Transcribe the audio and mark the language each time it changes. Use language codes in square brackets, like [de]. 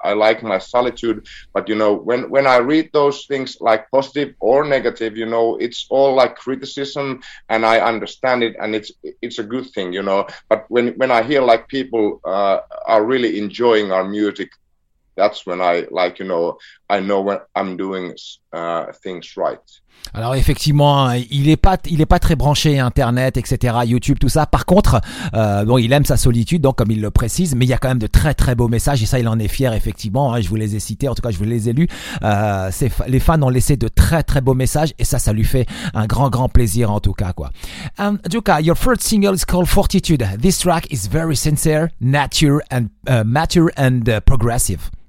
[en] I like my solitude, but you know, when I read those things, like positive or negative, you know, it's all like criticism, and I understand it, and it's a good thing, you know. But when I hear like people are really enjoying our music, that's when I, like, you know, I know when I'm doing things right. [fr] Alors effectivement, il est pas très branché internet, etc., YouTube, tout ça. Par contre, bon, il aime sa solitude, donc comme il le précise, mais il y a quand même de très très beaux messages, et ça, il en est fier, effectivement, hein. Je vous les ai cités, en tout cas je vous les ai lus. Les fans ont laissé de très très beaux messages, et ça lui fait un grand grand plaisir, en tout cas, quoi. [en] Djoka, your first single is called Fortitude. This track is very sincere, mature and progressive.